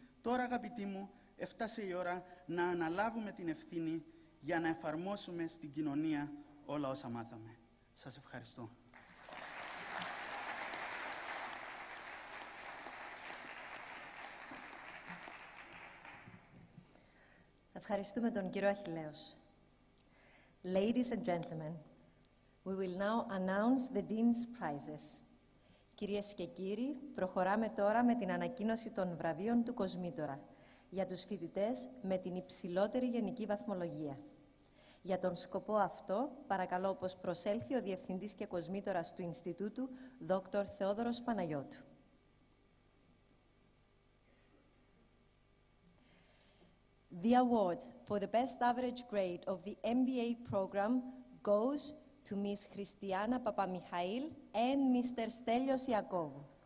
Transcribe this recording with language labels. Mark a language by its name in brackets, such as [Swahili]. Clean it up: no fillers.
[Greek] Τώρα, αγαπητοί μου, έφτασε η ώρα να αναλάβουμε την ευθύνη για να εφαρμόσουμε στην κοινωνία όλα όσα μάθαμε. Σας ευχαριστώ. Ευχαριστούμε τον κύριο Αχιλλέος. [English] Ladies and gentlemen, we will now announce the Dean's Prizes. [Greek] Κυρίες και κύριοι, προχωράμε τώρα με την ανακοίνωση των βραβείων του Κοσμήτορα για τους φοιτητές με την υψηλότερη γενική βαθμολογία. Για τον σκοπό αυτό, παρακαλώ όπως προσέλθει ο Διευθυντής και Κοσμήτορας του Ινστιτούτου, Δόκτωρ Θεόδωρος Παναγιώτου. [English] The award for the best average grade of the MBA program goes to Ms. Christiana Papamichail and Mr. Stelios Iakovou.